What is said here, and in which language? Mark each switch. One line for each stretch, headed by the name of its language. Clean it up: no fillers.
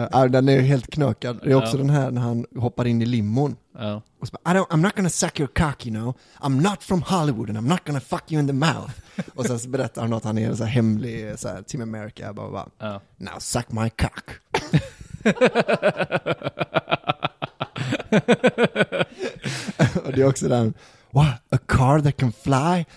Swedish: Den är helt knökad. Det är också den här när han hoppar in i limon. Och så bara:
English: "I'm not gonna suck your cock, you know. I'm not from Hollywood and I'm not gonna fuck you in the mouth."
Swedish: Och sen så berättar han att han är så här hemlig så här, Team America. Bara,
English: "Now suck my cock."
Swedish: Och det är också den:
English: "What, a car that can fly?